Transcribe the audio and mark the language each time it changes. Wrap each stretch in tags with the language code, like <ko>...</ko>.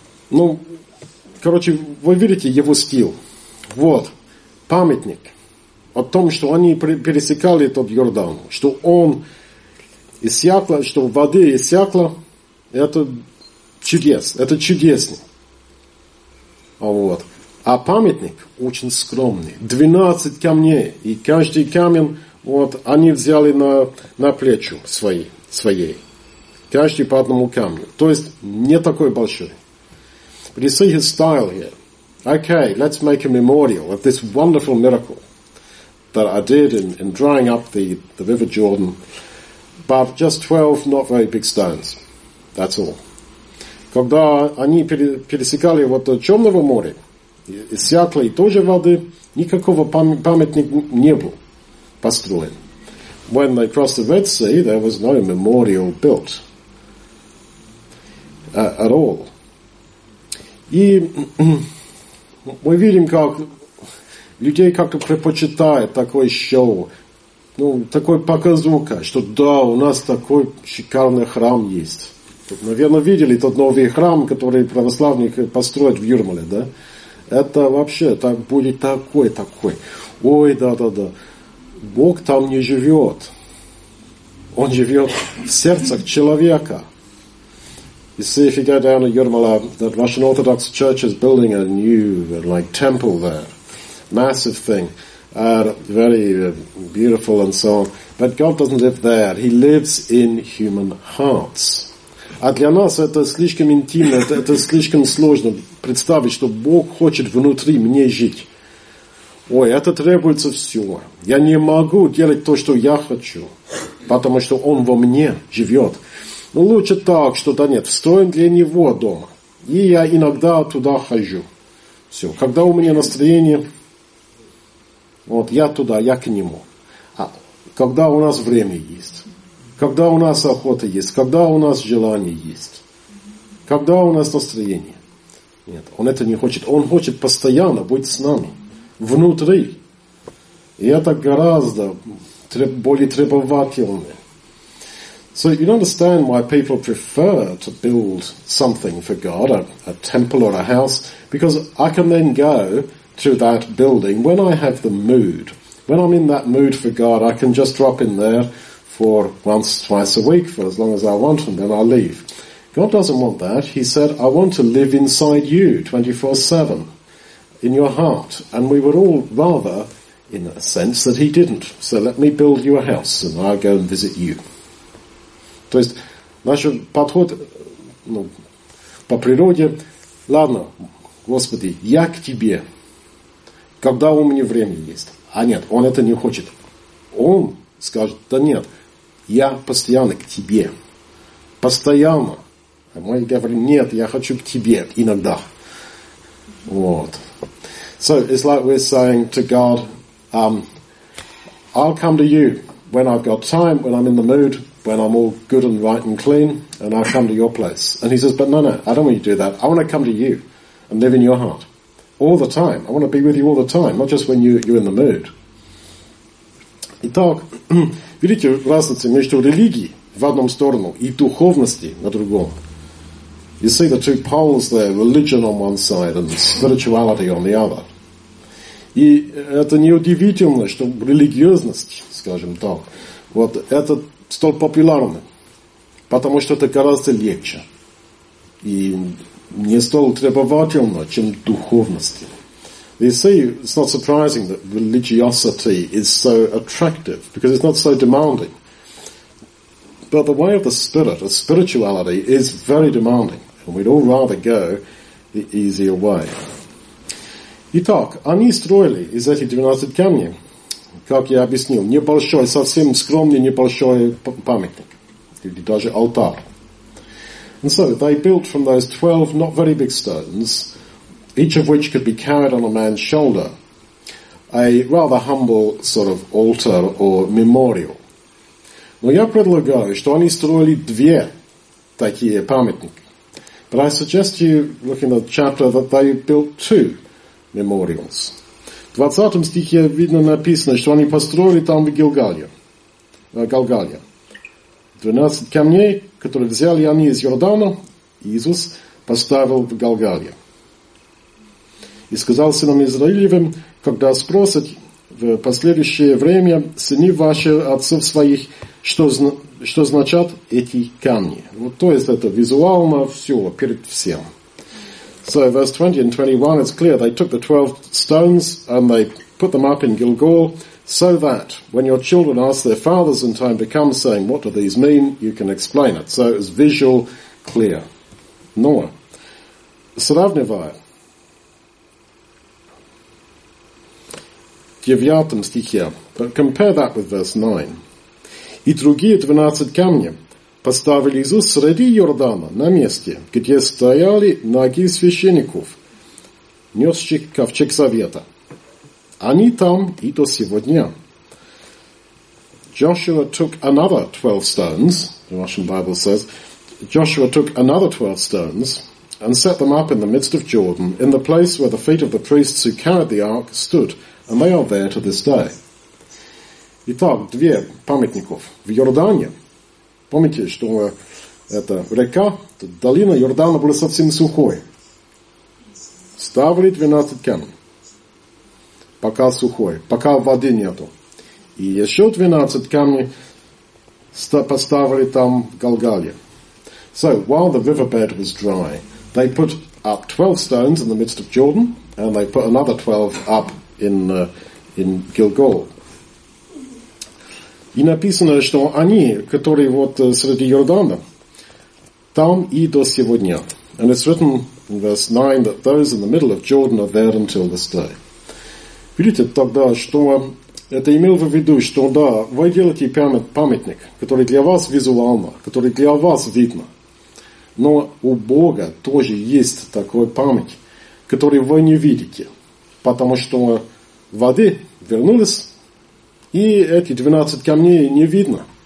<ru>Ну, короче, вы видите его стиль. Вот, памятник о том, что они пересекали этот Йордан, что он иссякла, что воды иссякла. Это чудес, это чудесно. Вот. А памятник очень скромный. 12 камней, и каждый камень вот, они взяли на плечи своей. Каждый по одному камню. То есть не такой большой.</ru> <en>But you see his style here. Okay, let's make a memorial of this wonderful miracle that I did in drying up the River Jordan. But just 12 not very big stones. That's all.</en> <ru>Когда они пересекали вот Черного моря, иссякли тоже воды, никакого памятника не был построен.</ru> <en>When they crossed the Red Sea, there was no memorial built at all.</en> <ru>И мы видим, как людей как-то предпочитают такое шоу, ну, такой показуха, что да, у нас такой шикарный храм есть. Наверное, видели тот новый храм, который православник построит в Юрмале, да? Это вообще так будет такой. Ой, да. Бог там не живет. Он живет в сердцах человека.</ru> <en>You see, if you go down to Юрмала, the Russian Orthodox Church is building a new, like, temple there. Massive thing. Very beautiful and so on. But God doesn't live there. He lives in human hearts.</en> <ru>А для нас это слишком интимно, это слишком сложно представить, что Бог хочет внутри мне жить. Ой, это требуется все. Я не могу делать то, что я хочу, потому что Он во мне живет. Ну, лучше так, что да нет, встроим для Него дома. И я иногда туда хожу. Все, когда у меня настроение, вот я туда, я к Нему. А когда у нас время есть. Когда у нас охота есть, когда у нас желание есть, когда у нас настроение. Нет, он это не хочет. Он хочет постоянно быть с нами, внутри. И это гораздо более требовательно.</ru> <en>So you understand why people prefer to build something for God, a temple or a house, because I can then go to that building when I have the mood. When I'm in that mood for God, I can just drop in there for once, twice a week, for as long as I want, and then I leave. God doesn't want that. He said, I want to live inside you 24/7, in your heart. And we would all rather, in a sense, that he didn't. So let me build you a house, and I'll go and visit you.</en> <ru>То есть, наш подход, ну, по природе, ладно, Господи, я к тебе, когда у меня время есть. А нет, он это не хочет. Он скажет, да нет, я постоянно к тебе. Постоянно. Мы говорим, нет, я хочу к тебе иногда. Вот.</ru> <en>So it's like we're saying to God, I'll come to you when I've got time, when I'm in the mood, when I'm all good and right and clean, and I'll come to your place. And he says, but no, I don't want you to do that. I want to come to you and live in your heart all the time. I want to be with you all the time, not just when you're in the mood.</en> <ru>Итак, видите разницу между религией в одном сторону и духовностью на другом?</ru> <en>You see the two poles there, religion on one side and spirituality on the other.</en> <ru>И это неудивительно, что религиозность, скажем так, вот это столь популярно, потому что это гораздо легче и не столь требовательно, чем духовность.</ru> <en>You see, it's not surprising that religiosity is so attractive because it's not so demanding. But the way of the spirit, of spirituality, is very demanding. And we'd all rather go the easier way.</en> <ru>Итак, они строили из этих 12 камней, как я объяснил, небольшой, совсем скромный небольшой памятник, или даже алтар.</ru> <en>And so they built from those 12 not very big stones, each of which could be carried on a man's shoulder, a rather humble sort of altar or memorial.</en> <ru>Но я предлагаю, что они строили две такие памятники.</ru> <en>But I suggest you look in the chapter that they built two memorials.</en> <ru>В 20 стихе видно написано, что они построили там в Галгалии. 12 камней, которые взяли они из Иордана, Иисус поставил в Галгалии. И сказал сынам Израилевым, когда спросят в последующее время сыны ваши отцов своих, что значат эти камни. Вот, то есть это визуально все, перед всем.</ru> <en>So verse 20 and 21, it's clear, they took the 12 stones and they put them up in Gilgal, so that when your children ask their fathers in time to come, saying, what do these mean, you can explain it. So it's visual, clear.</en> <ru>Но, сравнивая, девятым стихе,</ru> <en>but compare that with verse 9.</en> <ru>И другие 12 камня поставили Иисус среди Иордана, на месте, где стояли ноги священников, несших ковчег завета. Они там и до сего дня.</ru> <en>Joshua took another 12 stones, the Russian Bible says, Joshua took another 12 stones and set them up in the midst of Jordan, in the place where the feet of the priests who carried the ark stood, and they are there to this day.</en> <ru>Итак, две памятников в Иордане. Помните, что эта река, эта долина Иордана была совсем сухой. Ставили 12 камней. Пока сухой, пока воды нету. И еще 12 камней поставили там в Галгалии.</ru> <en>So, while the riverbed was dry, they put up 12 stones in the midst of Jordan, and they put another 12 up in Gilgal.</en> <ru>И написано, что они, которые вот среди Иордана, там и до сего дня.</ru> <en>And it's written in verse 9 that those in the middle of Jordan are there until this day.</en> <ru>Видите тогда, что это имел в виду, что да, вы делаете памятник, который для вас визуально, который для вас видно. Но у Бога тоже есть такой память, который вы не видите. Потому что воды вернулись, и эти 12 камней не видно.</ru>